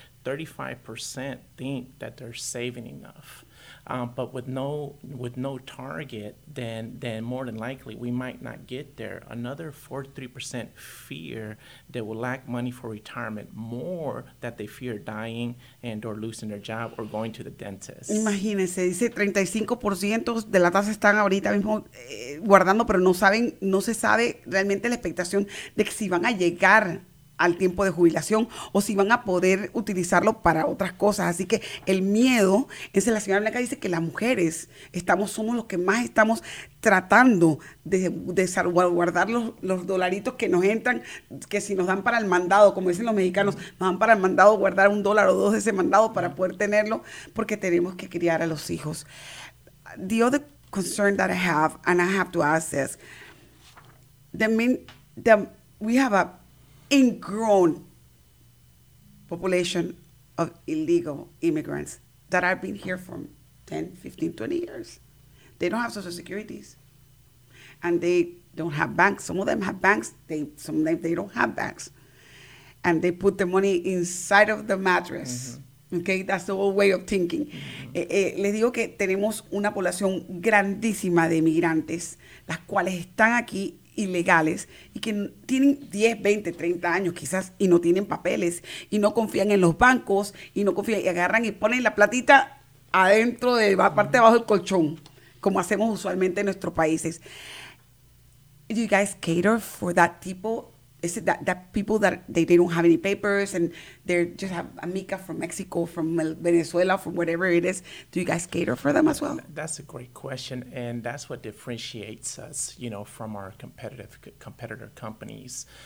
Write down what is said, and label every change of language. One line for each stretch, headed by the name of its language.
English: 35% think that they're saving enough. But with no target, then more than likely we might not get there. Another 43% fear they will lack money for retirement, more that they fear dying and or losing their job or going to the dentist.
Spanish: Imagínense, dice 35% de la tasa están ahorita mismo guardando, pero no se sabe realmente la expectación de que si van a llegar al tiempo de jubilación o si van a poder utilizarlo para otras cosas. Así que el miedo, es la señora Blanca dice que las mujeres somos los que más estamos tratando de salvaguardar los dolaritos que nos entran, que si nos dan para el mandado, como dicen los mexicanos, nos dan para el mandado, guardar un dólar o dos de ese mandado para poder tenerlo, porque tenemos que criar a los hijos.
English: The other concern that I have, and I have to ask this, we have a ingrown population of illegal immigrants that have been here for 10, 15, 20 years. They don't have social securities and they don't have banks. Some of them have banks, some of them don't have banks. And they put the money inside of the mattress. Mm-hmm. Okay, that's the old way of thinking. Mm-hmm.
Spanish: Les digo que tenemos una población grandísima de inmigrantes, las cuales están aquí ilegales y que tienen 10, 20, 30 años quizás y no tienen papeles y no confían en los bancos y no confían y agarran y ponen la platita adentro de la parte de abajo del colchón, como hacemos usualmente en nuestros países.
English: Do you guys cater for that people? Is it that people that they don't have any papers and they just have amica from Mexico, from Venezuela, from whatever it is? Do you guys cater for them as well? That's a great question, and that's what differentiates us, you know, from our competitor companies.